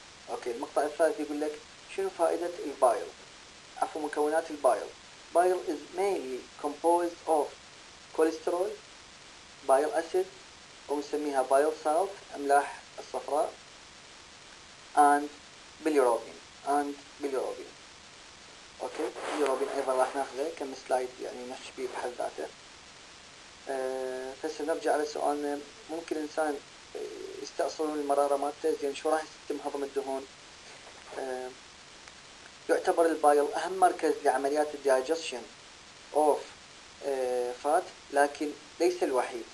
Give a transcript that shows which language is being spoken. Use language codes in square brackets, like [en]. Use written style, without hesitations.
[ar] اوكي المقطع الثالث يقول لك شنو فائدة البايل، عفوا مكونات البايل. [en] bile is mainly composed of cholesterol, bile acid [ar] او نسميها [en] bile salt [ar] املاح الصفراء [en] and bilirubin and bilirubin. [ar] اوكي بيلوبين ايضا راح ناخذه كم سلايد يعني نحكي فيه بحد ذاته. هسه نرجع على سؤالنا، ممكن الانسان يستأصل من المراره مالته زين، شو راح يتم هضم الدهون؟ يعتبر البايل اهم مركز لعمليات الدايجستشن اوف فات، لكن ليس الوحيد.